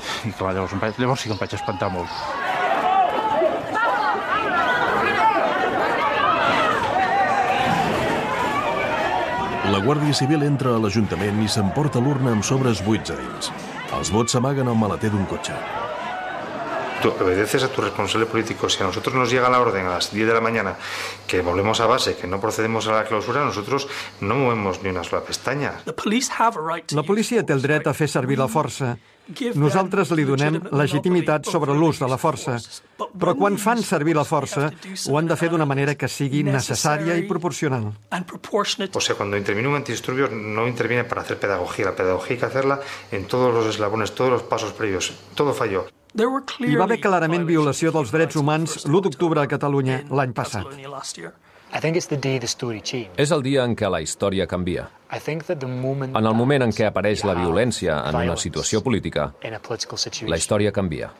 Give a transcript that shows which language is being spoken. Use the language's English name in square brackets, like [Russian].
[Catalan] I clar, llavors sí que em vaig espantar molt. La Guàrdia Civil entra a l'Ajuntament i s'emporta l'urna amb sobres buits a dins. Els vots s'amaguen al maleter d'un cotxe. [Spanish] Tu obedeces a tu responsable político. Si a nosotros nos llega la orden a las 10 de la mañana que volvemos a base, que no procedemos a la clausura, nosotros no movemos ni una sola pestaña. [Catalan] La policia té el dret a fer servir la força. Nosaltres li donem legitimitat sobre l'ús de la força. Però quan fan servir la força, ho han de fer d'una manera que sigui necessària i proporcional. [Spanish] O sea, cuando interviene un antidisturbio, no interviene para hacer pedagogía. La pedagogía hay que hacerla en todos los eslabones, todos los pasos previos. Todo falló. [Catalan] Hi va haver clarament violació dels drets humans l'1 d'octubre a Catalunya l'any passat. És el dia en què la història canvia. En el moment en què apareix la violència en una situació política, la història canvia.